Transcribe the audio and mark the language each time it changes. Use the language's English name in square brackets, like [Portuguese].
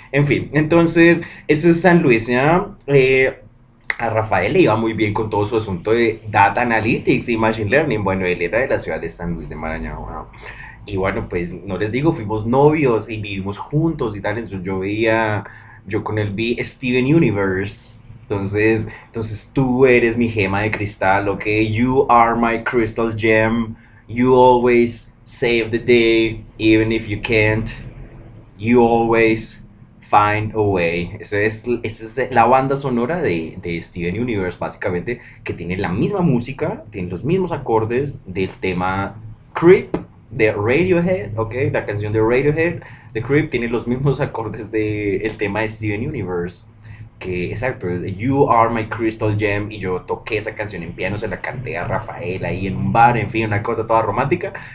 [Spanish] En fin, entonces, eso es San Luis, ¿ya? A Rafael le iba muy bien con todo su asunto de data analytics y machine learning. Bueno, él era de la ciudad de San Luis de Marañón, wow. Y bueno, pues no les digo, fuimos novios y vivimos juntos y tal. Entonces yo con él vi Steven Universe. Entonces tú eres mi gema de cristal, ok. [English] You are my crystal gem. You always save the day, even if you can't. You always Find a Way. [Spanish] Esa es la banda sonora de Steven Universe, básicamente, que tiene la misma música, tiene los mismos acordes del tema Creep de Radiohead, ¿ok? La canción de Radiohead, de Creep, tiene los mismos acordes del tema de Steven Universe, que exacto, You Are My Crystal Gem, y yo toqué esa canción en piano, se la canté a Rafael ahí en un bar, en fin, una cosa toda romántica.